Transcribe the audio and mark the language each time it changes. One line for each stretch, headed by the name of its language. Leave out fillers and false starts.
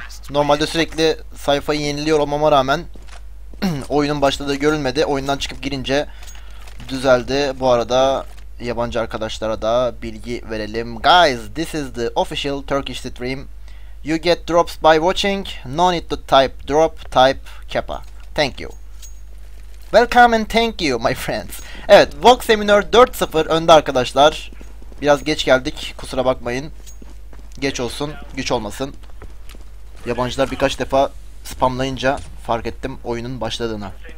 Turkish: Normalde sürekli sayfayı yeniliyor olmama rağmen oyunun başladığı görülmedi. Oyundan çıkıp girince düzeldi. Bu arada yabancı arkadaşlara da bilgi verelim.
English: Guys, this is the official Turkish stream. You get drops by watching. No need to type drop, type kappa. Thank you. Welcome and thank you my friends.
Turkish: Evet, Vox Seminar 4.0 önde arkadaşlar. Biraz geç geldik, kusura bakmayın. Geç olsun, güç olmasın. Yabancılar birkaç defa spamlayınca fark ettim oyunun başladığını.